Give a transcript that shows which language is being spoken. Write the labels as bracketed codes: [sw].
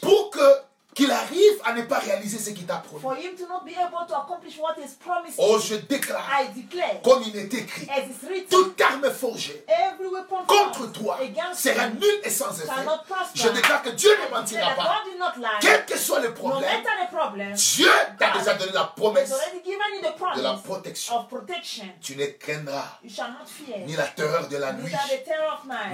[fr] pour que qu'il arrive à ne pas réaliser ce qu'il t'a promis. [en] For him to not be able to accomplish what is promised. [fr] Oh, je déclare. [en] I declare. [fr] Comme il est écrit. [en] As it's written. [fr] Toute arme forgée. [en] Every weapon [fr] contre toi. [en] Against [fr] sera nulle et sans effet. [en] Cannot prosper. [fr] Je déclare que Dieu ne mentira pas. [en] God did not lie. [fr] Quel que soit le problème. [en] No matter the problem. [fr] Dieu t'a déjà donné la promesse. [en] He has already given you the promise. [fr] De la protection. [en] Of protection. [fr] Tu ne craindras. [en] You shall not fear. [fr] Ni la terreur de la nuit. [en] Neither the terror of night.